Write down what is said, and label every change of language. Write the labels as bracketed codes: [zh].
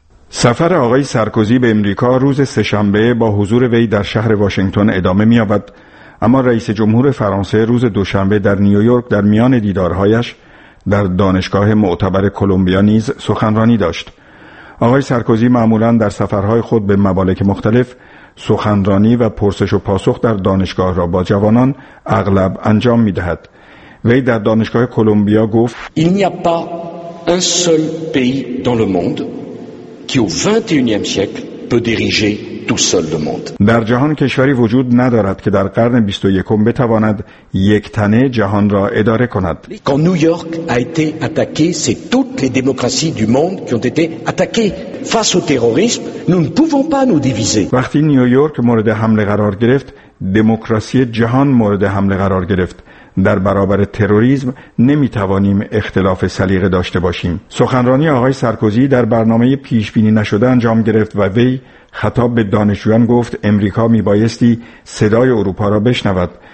[fa] سفر آقای سارکوزی به آمریکا روز سه‌شنبه با حضور وی در شهر واشنگتن ادامه می‌یابد، اما رئیس جمهور فرانسه روز دوشنبه در نیویورک در میان دیدارهایش در دانشگاه معتبر کلمبیا نیز سخنرانی داشت. آقای سارکوزی معمولاً در سفرهای خود به ممالک مختلف سخنرانی و پرسش و پاسخ در دانشگاه را با جوانان اغلب انجام می‌دهد. وی در دانشگاه کلمبیا گفت: [fr] Il n'y a pas un seul pays dans le monde qui au 21e siècle peut diriger tout seul le monde. [fa] در جهان کشوری وجود ندارد که در قرن 21 بتواند یک تنه جهان را اداره کند. [fr] Quand New York a été attaqué, c'est toutes les démocraties du monde qui ont été attaquées. Face au terrorisme, nous ne pouvons pas nous diviser. [fa] وقتی نیویورک مورد حمله قرار گرفت، دموکراسی جهان مورد حمله قرار گرفت. در برابر تروریسم نمیتوانیم اختلاف سلیقه داشته باشیم. سخنرانی آقای سارکوزی در برنامه پیش بینی نشده انجام گرفت و وی خطاب به دانشجویان گفت امریکا میبایستی صدای اروپا را بشنود.